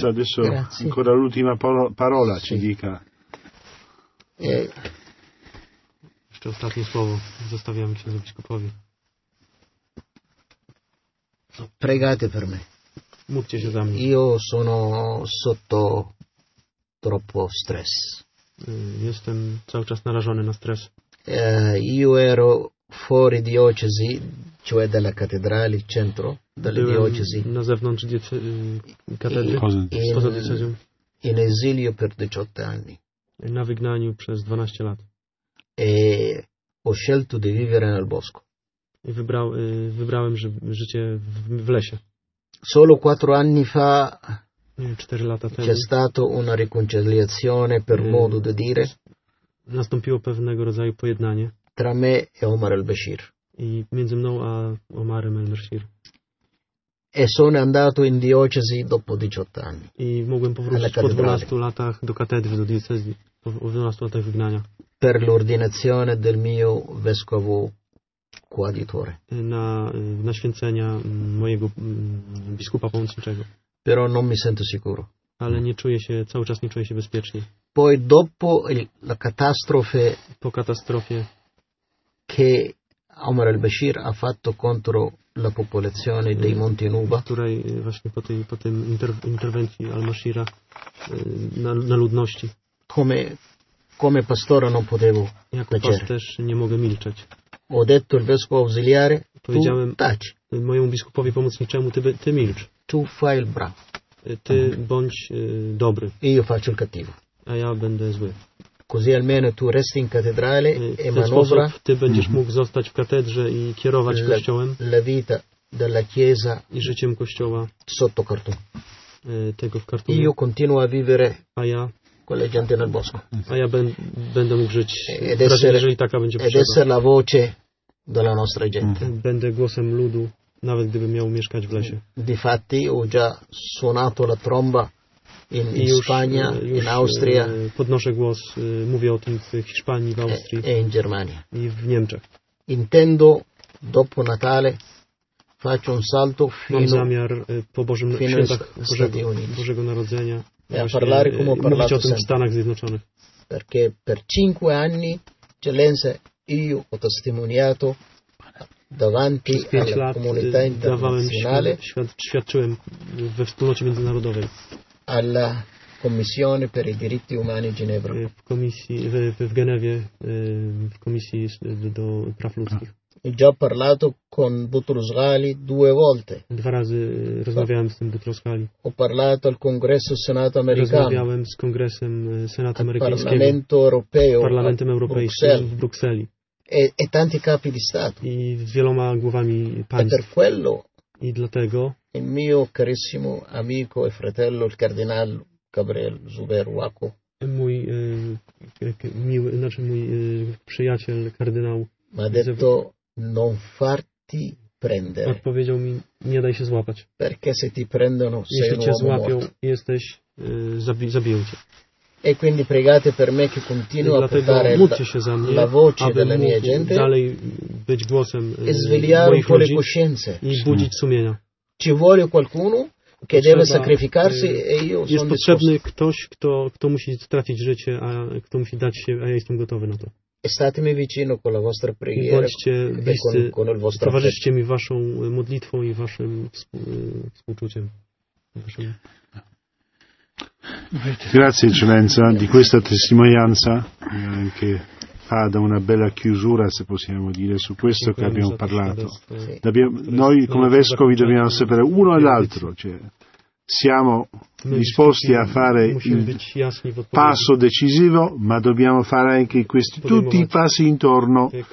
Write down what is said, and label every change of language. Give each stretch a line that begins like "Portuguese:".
Italian: Ancora l'ultima parola ci dica.
Polish: Jeszcze ostatnie słowo zostawiamy księdzu biskupowi.
Italian: Pregate per me.
Polish: Módlcie się za mnie.
Italian: Io sono sotto troppo stres.
Polish: Jestem cały czas narażony na stres.
Italian: Io ero fuori diocesi, cioè dalla cattedrale, centro, dalle diocesi.
Polish: Na zewnątrz katedry. Poza diocezją.
Italian: In esilio per 18 anni.
Polish: Na wygnaniu przez 12 lat.
Italian: E ho scelto di vivere nel bosco.
Polish: Wybrałem życie w lesie.
Italian: Solo 4 anni fa.
Polish: 4 lata temu.
Italian: C'è stato una riconciliazione per modo di dire.
Polish: Nastąpiło pewnego rodzaju pojednanie.
Italian: Tra me e Omar el-Bashir.
Polish: I między mną a Omarem el-Bashir.
Italian: E sono andato in diocesi dopo 18 anni.
Polish: I mogłem powrócić po 12 latach do katedry, do diocezji, po 12 latach wygnania.
Italian: Per l'ordinazione del mio vescovo coadiutore.
Polish: Na święcenia mojego biskupa pomocniczego.
Italian: Però non mi sento sicuro.
Polish: Ale nie czuję się, cały czas nie czuję się bezpiecznie.
Italian: Poi dopo la catastrofe.
Polish: Po katastrofie.
Italian: Che Omar el-Bashir ha fatto contro la popolazione dei Monti Nuba.
Polish: Której właśnie po tym interwencji al-Bashira na ludności.
Italian: Come pastore non potevo.
Polish: Jako pasterz nie mogę milczeć.
Italian: Ho detto il vescovo ausiliare,
Polish: powiedziałem mojemu biskupowi pomocniczemu, ty milcz.
Italian: Tu fai il bravo.
Polish: Ty bądź dobry.
Italian: Io faccio il cattivo.
Polish: A ja będę zły.
Italian: Così almeno tu resti in cattedrale e manovra.
Polish: Ty będziesz mógł zostać w katedrze i kierować kościołem.
Italian: La vita della chiesa.
Polish: I życiem kościoła.
Italian: Sotto cartone.
Polish: Tego w kartonie.
Italian: Io continuo a vivere.
Polish: A ja.
Italian: Con le gente nel bosco.
Polish: A ja będę mógł żyć, jeżeli taka będzie potrzeba.
Italian: Ed essere la voce della nostra gente.
Polish: Będę głosem ludu, nawet gdybym miał mieszkać w lesie.
Italian: Difatti ho già suonato la tromba in Spagna, in Austria.
Polish: Podnoszę głos, mówię o tym w Hiszpanii, w Austrii.
Italian: E in Germania.
Polish: I w Niemczech.
Italian: Intendo dopo Natale faccio un salto fino.
Polish: Mam zamiar po Bożym świętach Bożego Narodzenia.
Italian: E a parlare come ho parlato
Polish: o tym w Stanach Zjednoczonych.
Italian: Perché per 5 anni, eccellenza, io ho testimoniato davanti alla comunità internazionale,
Polish: świadczyłem we wspólnocie międzynarodowej,
Italian: alla Commissione per i diritti umani Ginevra.
Polish: W Genewie, w komisji do praw ludzkich.
Italian: Ho già parlato con Boutros Ghali 2 volte.
Polish: Dwa razy rozmawiałem z tym Boutros Ghali.
Italian: Ho parlato al Congresso Senato Americano.
Polish: Rozmawiałem z Kongresem Senatu Amerykańskiego.
Italian: Parlamento Europeo.
Polish: Parlamentem Europejskim w Brukseli.
Italian: E tanti capi di Stato.
Polish: I z wieloma głowami państw.
Italian: E per quello.
Polish: I dlatego.
Italian: Il mio carissimo amico e fratello il Cardinal Gabriel Zuber Waco.
Polish: Mój miły, znaczy mój przyjaciel kardynał.
Italian: Ma detto non farti prendere.
Polish: Odpowiedział mi, nie daj się złapać.
Italian: Perché se ti prendono, sei
Polish: jeśli cię złapią,
Italian: morto.
Polish: Jesteś zabiją cię.
Italian: E quindi pregate per me che continuo a portare la voce della mia gente.
Polish: Dalej być głosem
Italian: e svegliare un po' le coscienze.
Polish: I budzić sumienia.
Italian: Ci vuole qualcuno che deve sacrificarsi e io sono
Polish: jest potrzebny ktoś, kto musi stracić życie, a kto musi dać się, a ja jestem gotowy na to.
Italian: Statemi vicino con la vostra preghiera.
Polish: Bądźcie bliscy, towarzyszcie mi waszą modlitwą i waszym współczuciem.
Italian: Grazie, eccellenza, di questa testimonianza e anche da una bella chiusura, se possiamo dire, su questo che abbiamo parlato. Noi come vescovi dobbiamo sapere uno e l'altro, cioè siamo disposti a fare il passo decisivo, ma dobbiamo fare anche questi tutti i passi intorno,